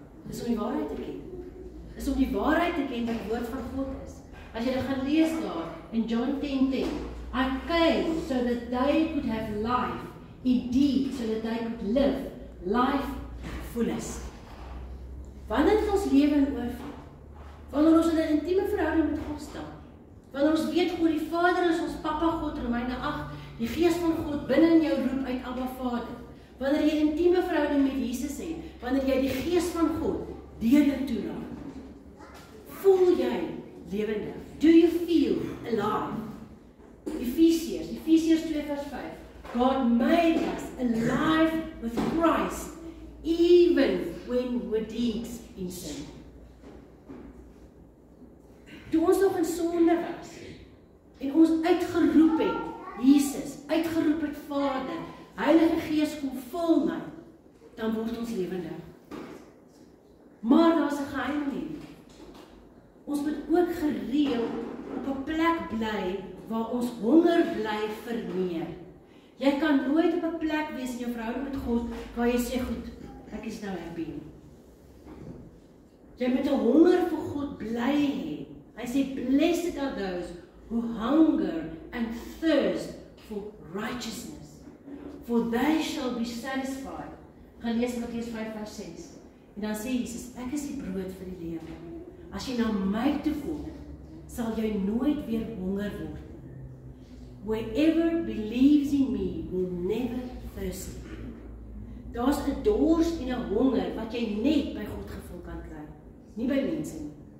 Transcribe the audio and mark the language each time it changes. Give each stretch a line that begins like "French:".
Afrikaans: Is om die waarheid te ken. Is om die waarheid te ken wat die woord van God is. As jy gaan lees daar in
English: John 10:10, I came so that they could have life, indeed so that they could live life fullest.
Afrikaans: Wanneer het ons lewe in oorvloed? Wanneer ons in 'n intieme verhouding met God staan? Wanneer ons weet God die Vader is ons Papa God, Romeine 8, die Gees van God binne in jou roep uit Abba Vader. Wanneer jy 'n intieme verhouding met Jesus het, wanneer jy die Gees van God deur jou toelaat, voel jy lewendig.
English: Do you feel alive? Efesiërs 2 vers 5. God made us alive with Christ, even when we're dead in sin.
Afrikaans: Toe ons nog in sonde was, en ons uitgeroep het, Jesus, uitgeroep het Vader, Heilige Gees kom vul my, dan word ons lewendig. Maar daar is 'n geheim nie. Ons moet ook gereeld op 'n plek bly waar ons honger bly vir meer. Jy kan nooit op 'n plek wees in jou verhouding met God waar jy sê, goed, ek is nou happy. Jy moet 'n honger vir God bly hê. Hy sê,
English: blessed are those who hunger and thirst for righteousness, for they shall be satisfied.
Afrikaans: Gaan lees Matteus 5 vers 6. En dan sê Jesus, ek is die brood vir die lewe. As jy na my toe kom, sal jy nooit weer honger word.
English: Whoever believes in me will never thirst.
Afrikaans: Daar's 'n dors en 'n honger wat jy net by God gevul kan kry, nie by mense nie.